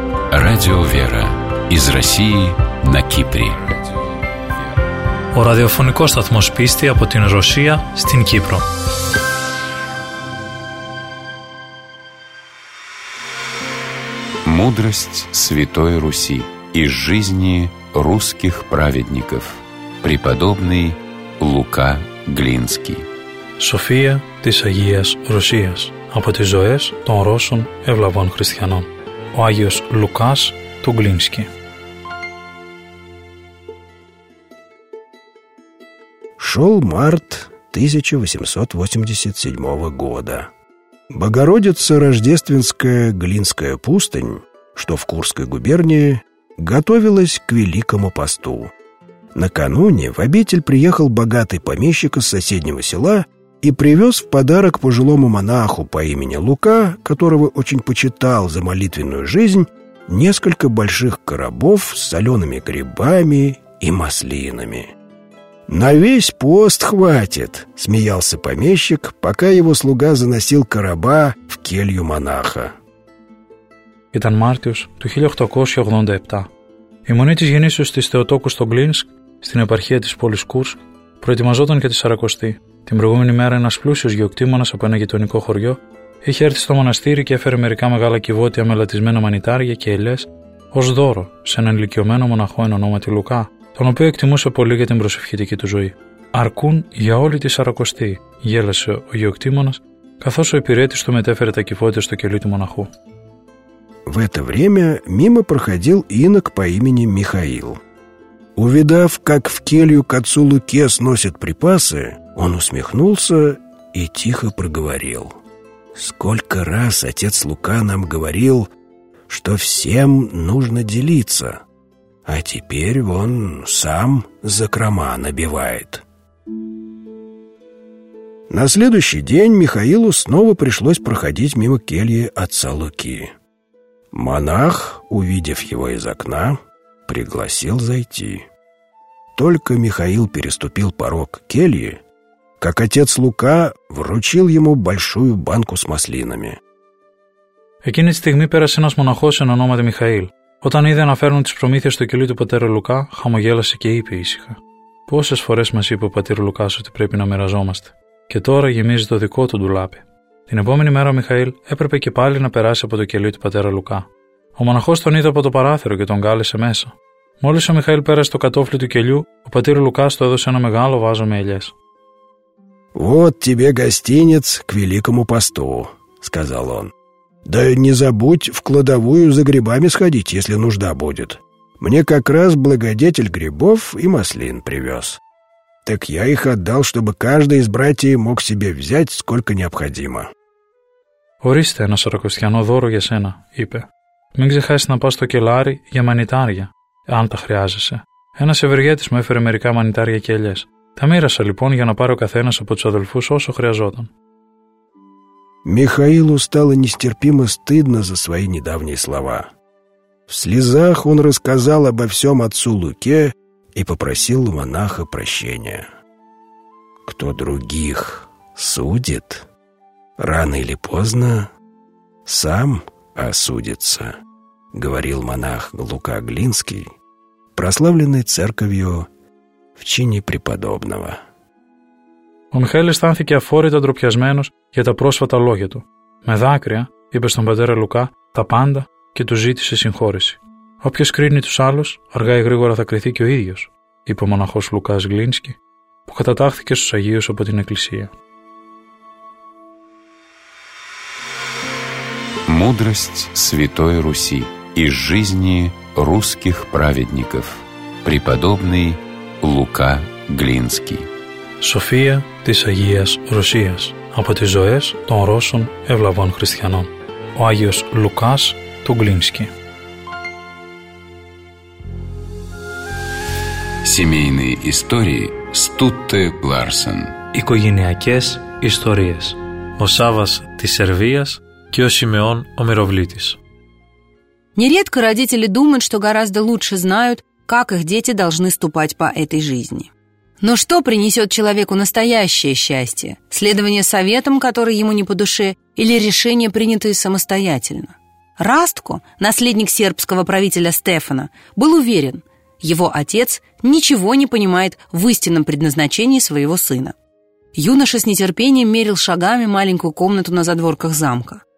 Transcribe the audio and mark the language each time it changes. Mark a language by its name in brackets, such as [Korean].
[Russian] Радио Вера из России на Кипре. [Greek] Ο ραδιοφωνικός σταθμός πίστη από την Ρωσία στην Κύπρο. [Russian] «Мудрость Святой Руси. Из жизни русских праведников». Преподобный Лука Глинский. [Greek] «София της Агίας Ρωσίας. Από τις ζωές των Ρώσων ευλαβών χριστιανών». Ο Άγιος Λουκάς του Γκλίνσκι. [Russian] Шел март 1887 года. Богородица Рождественская Глинская пустынь, что в Курской губернии, готовилась к Великому посту. Накануне в обитель приехал богатый помещик из соседнего села и привез в подарок пожилому монаху по имени Лука, которого очень почитал за молитвенную жизнь, несколько больших коробов с солеными грибами и маслинами. «На весь пост хватит!» — смеялся помещик, пока его слуга заносил короба в келью монаха. [Greek] Ήταν Μάρτιος του 1887. Η μονή της γεννήσεως της Θεοτόκου στο Γκλίνσκ, στην επαρχία της πόλης Κούρσκ, προετοιμαζόταν για τη Σαρακοστή. Την προηγούμενη μέρα ένας πλούσιος γεωκτήμονας από ένα γειτονικό χωριό είχε έρθει στο μοναστήρι και έφερε μερικά μεγάλα κυβότια με λατισμένα μανιτάρια και ελιές ως δώρο σε έναν ηλικιωμένο μοναχό εν ονόματι Λουκά, τον οποίο εκτιμούσε πολύ για την προσευχητική του ζωή. «Αρκούν για όλη τη Σαρακοστή», γέλασε ο γεωκτήμονας, καθώς ο υπηρέτης του μετέφερε τα κυβότια στο κελί του μοναχού. [Russian] В это время мимо проходил инок по имени Михаил. Увидав, как в келью к отцу Луке сносят припасы, он усмехнулся и тихо проговорил: «Сколько раз отец Лука нам говорил, что всем нужно делиться, а теперь он сам закрома набивает». На следующий день Михаилу снова пришлось проходить мимо кельи отца Луки. Монах, увидев его из окна, пригласил зайти. Только Михаил переступил порог кельи, как отец Лука вручил ему большую банку с маслинами. [Greek] Εκείνη τη στιγμή πέρασε ένας μοναχός εν ονόματι Μιχαήλ. Όταν είδε να φέρνουν τις προμήθειες στο κελί του πατέρα Λουκά, χαμογέλασε και είπε ήσυχα: «Πόσες φορές μας είπε ο πατήρ Λουκάς ότι πρέπει να μοιραζόμαστε, και τώρα γεμίζει το δικό του ντουλάπι». Την επόμενη μέρα ο Μιχαήλ έπρεπε και πάλι να περάσει από το κελί του πατέρα Λουκά. Ο μοναχός τον είδε από το παράθυρο και τον κάλεσε μέσα. Μόλις ο Μιχαήλ πέρασε το κατώφλι του κελιού, ο πατήρ Λουκάς του έδωσε ένα μεγάλο βάζο με ελιές. [Russian] «Вот тебе гостинец к великому посту», — сказал он. «Да не забудь в кладовую за грибами сходить, если нужда будет. Мне как раз благодетель грибов и маслин привез. Так я их отдал, чтобы каждый из братьев мог себе взять, сколько необходимо». [Greek] «Ορίστε ένα σαρακοστιανό δώρο για σένα», είπε. «Μην ξεχάσεις να πας στο κελάρι για μανιτάρια, αν τα χρειάζεσαι. Ένας ευεργέτης μου έφερε μερικά μανιτάρια και ελιές. Τα μοίρασα λοιπόν για να πάρει ο καθένας από τους αδελφούς όσο χρειαζόταν». [Russian] Михаилу стало нестерпимо стыдно за свои недавние слова. В слезах он рассказал обо всем отцу Луке и попросил у монаха прощения. Кто других судит, рано или поздно сам осудится, говорил монах Лука Глинский, прославленный церковью в чине преподобного. [Greek] Ο Михαήλ αισθάνθηκε αφόρητα ντροπιασμένος για τα πρόσφατα λόγια του. Με δάκρυα είπε στον πατέρα Λουκά τα πάντα και του ζήτησε συγχώρεση. «Όποιος κρίνει τους άλλους, αργά ή γρήγορα θα κριθεί και ο ίδιος», είπε ο μοναχός Λουκάς Γκλίνσκι, που κατατάχθηκε στους Αγίους από την Εκκλησία. [Russian] Мудрость Святой Руси. Из жизни русских праведников. Преподобный Лука Глинский. [Greek] «София της Αγίας Ρωσίας. Από τις ζωές των Ρώσων ευλαβών χριστιανών». Ο Άγιος Λουκάς του Γκλίνσκι. [Russian] Семейные истории Стутте Ларсен. [Greek] Οικογενειακές ιστορίες. Ο Σάββας της Σερβίας και ο Σιμεών ο Μυροβλήτης. [Russian] Нередко родители думают, что гораздо лучше знают, как их дети должны ступать по этой жизни. Но что принесет человеку настоящее счастье? Следование советам, которые ему не по душе, или решения, принятые самостоятельно? Растко, наследник сербского правителя Стефана, был уверен, его отец ничего не понимает в истинном предназначении своего сына. Юноша с нетерпением мерил шагами маленькую комнату на задворках замка.